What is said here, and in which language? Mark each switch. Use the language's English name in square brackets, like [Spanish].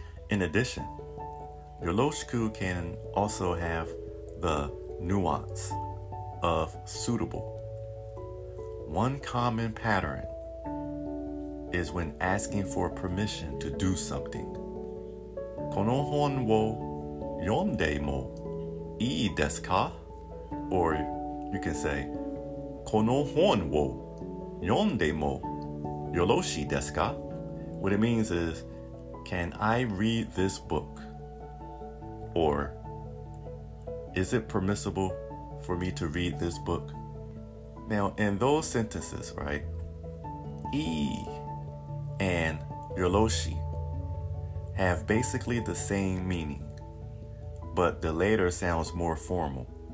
[English] In addition, yoroshiku can also have the nuance of suitable. One common pattern is when asking for permission to do something. [Japanese] この本を読んでもいいですか? [English] Or you can say, [Japanese] この本を読んでもよろしいですか? [English] What it means is, can I read this book? Or is it permissible for me to read this book? Now, in those sentences, right, e and yoroshi have basically the same meaning, but the latter sounds more formal.